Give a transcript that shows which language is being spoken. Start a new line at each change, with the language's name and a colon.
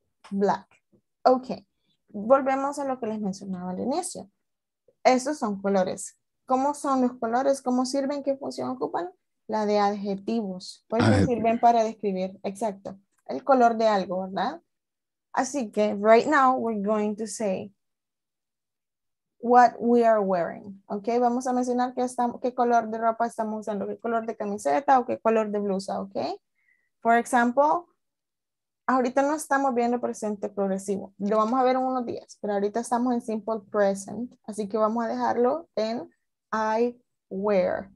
English: Black. Okay.
Spanish: Volvemos a lo que les mencionaba al inicio. Estos son colores. ¿Cómo son los colores? ¿Cómo sirven? ¿Qué función ocupan? La de adjetivos, porque sirven para describir, exacto, el color de algo, ¿verdad? Así que,
English: right now, we're going to say what we are wearing, ¿ok?
Spanish: Vamos a mencionar qué color de ropa estamos usando, qué color de camiseta o qué color de blusa, ¿ok?
English: For example,
Spanish: ahorita no estamos viendo presente progresivo, lo vamos a ver en unos días, pero ahorita estamos en simple present, así que vamos a dejarlo en
English: I wear.